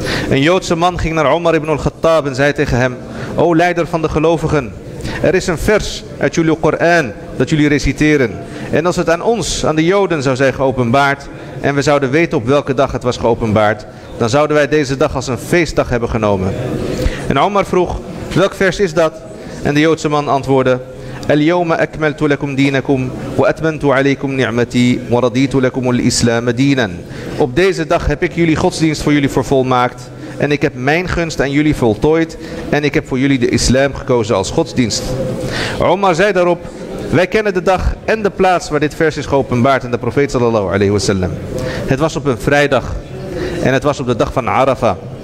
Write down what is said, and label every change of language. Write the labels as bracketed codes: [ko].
[nl] Een Joodse man ging naar Omar ibn al-Khattab en zei tegen hem: o leider van de gelovigen, er is een vers uit jullie Koran dat jullie reciteren. En als het aan ons, aan de Joden, zou zijn geopenbaard en we zouden weten op welke dag het was geopenbaard, dan zouden wij deze dag als een feestdag hebben genomen. En Omar vroeg: welk vers is dat? En de Joodse man antwoordde: [ar] اليوم أكملت لكم دينكم وأتممت عليكم نعمتي ورضيت لكم الإسلام دينا. [nl] Op deze dag heb ik jullie godsdienst voor jullie vervolmaakt en ik heb mijn gunst aan jullie voltooid en ik heb voor jullie de islam gekozen als godsdienst. Omar zei daarop: wij kennen de dag en de plaats waar dit vers is geopenbaard aan de profeet sallallahu alayhi wa sallam. Het was op een vrijdag en het was op de dag van Arafa.